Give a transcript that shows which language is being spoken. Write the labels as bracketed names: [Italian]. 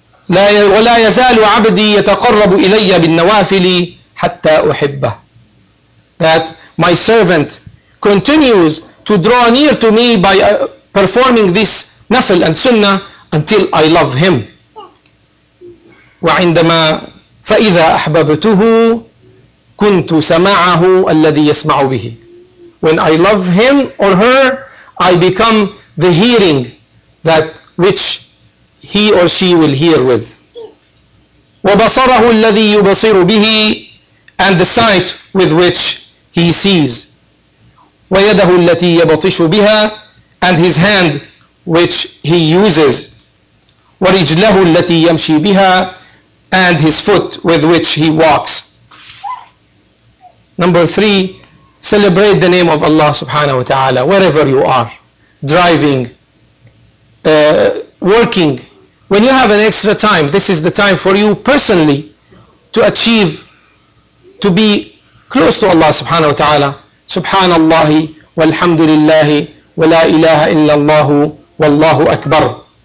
[Arabic] وَلَا يَزَالُ عَبْدِي يَتَقَرَّبُ إِلَيَّ بِالنَّوَافِلِ حَتَّى أُحِبَّهِ. [English] That my servant continues to draw near to me by performing this nafil and sunnah until I love him. [Arabic] وعندما فإذا أحببته كنت سماعه الذي يسمع به. [English] When I love him or her, I become the hearing that which he or she will hear with. [Arabic] وبصره الذي يبصر به, [English] and the sight with which he sees. [Arabic] وَيَدَهُ الَّتِي يَبَطِشُ بِهَا, [English] and his hand which he uses. [Arabic] وَرِجْلَهُ الَّتِي يَمْشِي بِهَا, [English] and his foot with which he walks. Number three, celebrate the name of Allah subhanahu wa ta'ala wherever you are, driving, working. When you have an extra time, this is the time for you personally to achieve, to be close to Allah subhanahu wa ta'ala. [Arabic] سبحان الله والحمد لله ولا إله إلا الله والله أكبر.